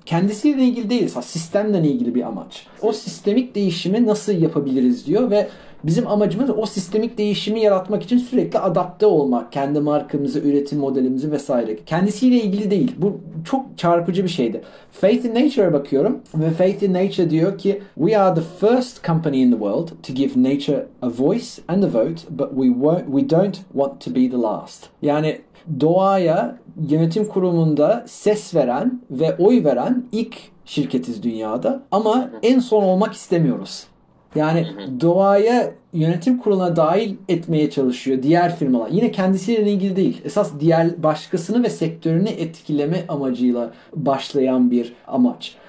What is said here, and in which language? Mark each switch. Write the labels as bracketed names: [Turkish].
[Turkish] Kendisiyle ilgili değil, sistemle ilgili bir amaç. O sistemik değişimi nasıl yapabiliriz diyor ve Bizim amacımız o sistemik değişimi yaratmak için sürekli adapte olmak. Kendi markamızı, üretim modelimizi vesaire. Kendisiyle ilgili değil. Bu çok çarpıcı bir şeydi. Faith in Nature'a bakıyorum. Ve Faith in Nature diyor ki, [English] "We are the first company in the world to give nature a voice and a vote, but we don't want to be the last." [Turkish] Yani doğaya yönetim kurumunda ses veren ve oy veren ilk şirketiz dünyada. Ama en son olmak istemiyoruz. Yani doğaya yönetim kuruluna dahil etmeye çalışıyor diğer firmalar. Yine kendisiyle ilgili değil. Esas diğer başkasını ve sektörünü etkileme amacıyla başlayan bir amaç.